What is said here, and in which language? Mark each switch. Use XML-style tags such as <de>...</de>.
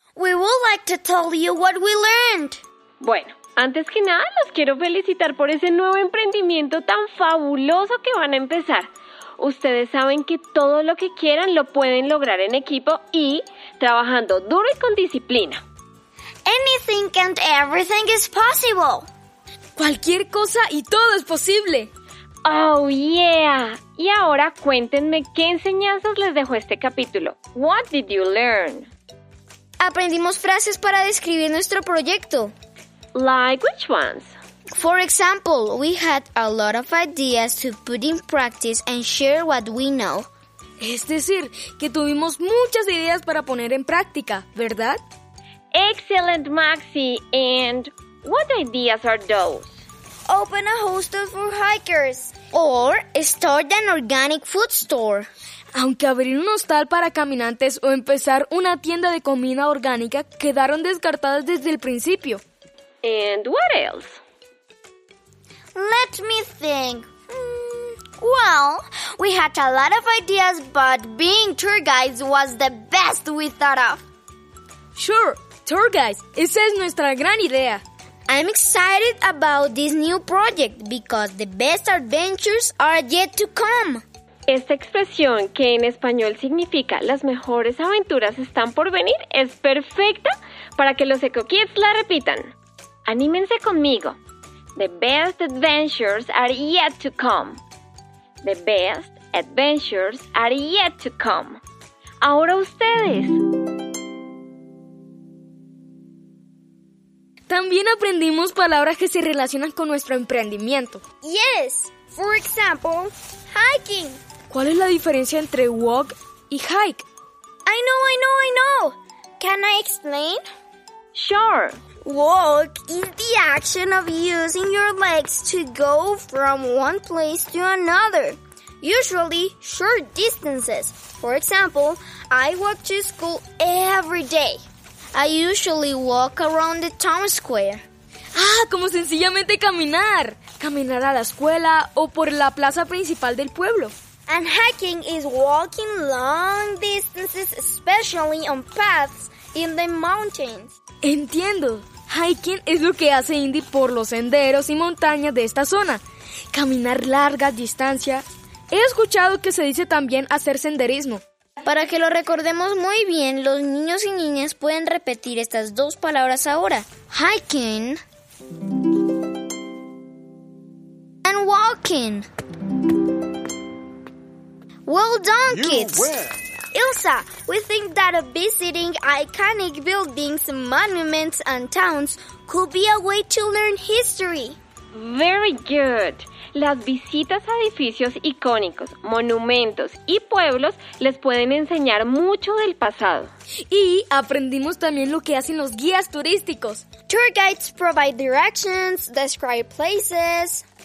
<en>We would like to tell you what we learned.</en> <es>Bueno, Antes que nada, los quiero felicitar por ese nuevo emprendimiento tan fabuloso que van a empezar. Ustedes saben que todo lo que quieran lo pueden lograr en equipo y trabajando duro y con disciplina.</es> <en>Anything and everything is possible.</en> <es>Cualquier cosa y todo es posible.</es> <en>Oh, yeah.</en> <es>Y ahora cuéntenme qué enseñanzas les dejó este capítulo.</es> <en>What did you learn?</en> <es>Aprendimos frases para describir nuestro proyecto.</es> <en>Like which ones? For example, we had a lot of ideas to put in practice and share what we know.</en> <es>Es decir, que tuvimos muchas ideas para poner en práctica, ¿verdad?</es> <en>Excellent, Maxi. And what ideas are those? Open a hostel for hikers. Or start an organic food store.</en> <es>Aunque abrir un hostal para caminantes o empezar una tienda de comida orgánica quedaron descartadas desde el principio.</es> <en>And what else? Let me think. Well, we had a lot of ideas, but being tour guides was the best we thought of. Sure, tour guides.</en> <es>Esa es nuestra gran idea.</es> <en>I'm excited about this new project because the best adventures are yet to come.</en> <es>Esta expresión, que en español significa las mejores aventuras están por venir, es perfecta para que los Eco Kids la repitan. Anímense conmigo.</es> <en>The best adventures are yet to come. The best adventures are yet to come.</en> <es>Ahora ustedes. También aprendimos palabras que se relacionan con nuestro emprendimiento.</es> <en>Yes, for example, hiking.</en> <es>¿Cuál es la diferencia entre walk y hike?</es> <en>I know. Can I explain? Sure. Walk is the action of using your legs to go from one place to another, usually short distances. For example, I walk to school every day. I usually walk around the town square.</en> <es>¡Ah, como sencillamente caminar! Caminar a la escuela o por la plaza principal del pueblo.</es> <en>And hiking is walking long distances, especially on paths in the mountains.</en> <es>Entiendo. Hiking es lo que hace Indy por los senderos y montañas de esta zona. Caminar largas distancias. He escuchado que se dice también hacer senderismo. Para que lo recordemos muy bien, los niños y niñas pueden repetir estas dos palabras ahora.</es> <en>Hiking. And walking. Well done, kids. Ilsa, we think that visiting iconic buildings, monuments, and towns could be a way to learn history. Very good.</en> <es>Las visitas a edificios icónicos, monumentos y pueblos les pueden enseñar mucho del pasado. Y aprendimos también lo que hacen los guías turísticos.</es> <en>Tour guides provide directions, describe places,</en>